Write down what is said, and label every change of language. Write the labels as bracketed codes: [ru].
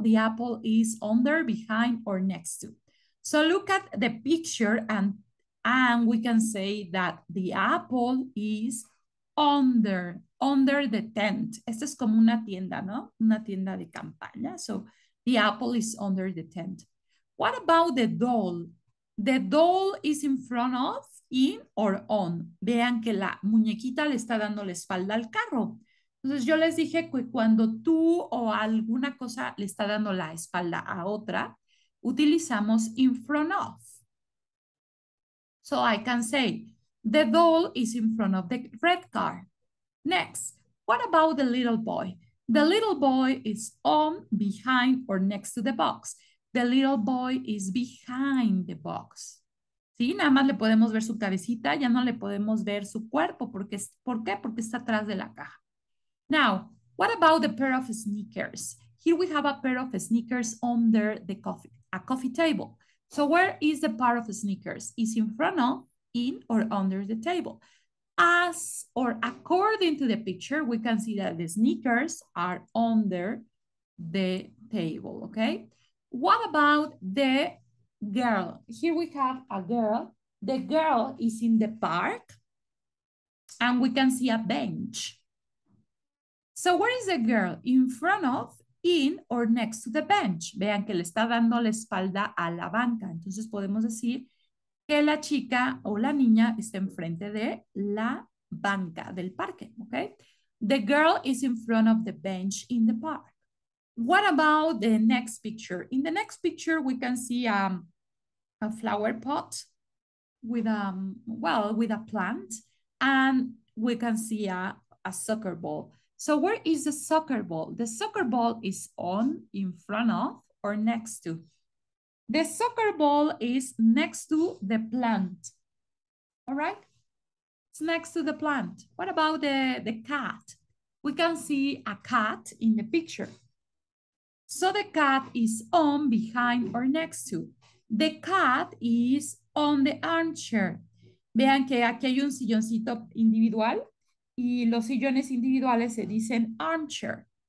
[en] The apple is under, behind, or next to. So look at the picture and we can say that the apple is under the tent. [es] Esta es como una tienda, ¿no? Una tienda de campaña. [en] So the apple is under the tent. What about the doll? The doll is in front of, in, or on. [es] Vean que la muñequita le está dando la espalda al carro. Entonces yo les dije que cuando tú o alguna cosa le está dando la espalda a otra, utilizamos in front of. [en] So I can say, the doll is in front of the red car. Next, what about the little boy? The little boy is on, behind, or next to the box. The little boy is behind the box. [es] ¿Sí? Nada más le podemos ver su cabecita, ya no le podemos ver su cuerpo. ¿Por qué? Porque está atrás de la caja. [en] Now, what about the pair of sneakers? Here we have a pair of sneakers under the coffee table. So where is the pair of sneakers? Is in front of, in, or under the table? As or according to the picture, we can see that the sneakers are under the table, okay? What about the girl? Here we have a girl. The girl is in the park and we can see a bench. So where is the girl? In front of, in, or next to the bench? [es] Vean que le está dando la espalda a la banca. Entonces podemos decir que la chica o la niña está enfrente de la banca del parque, [en] okay? The girl is in front of the bench in the park. What about the next picture? In the next picture, we can see a flower pot with with a plant, and we can see a soccer ball. So where is the soccer ball? The soccer ball is on, in front of, or next to? The soccer ball is next to the plant. All right? It's next to the plant. What about the cat? We can see a cat in the picture. So the cat is on, behind, or next to. The cat is on the armchair. [es] Vean que aquí hay un silloncito individual y los sillones individuales se dicen armchair.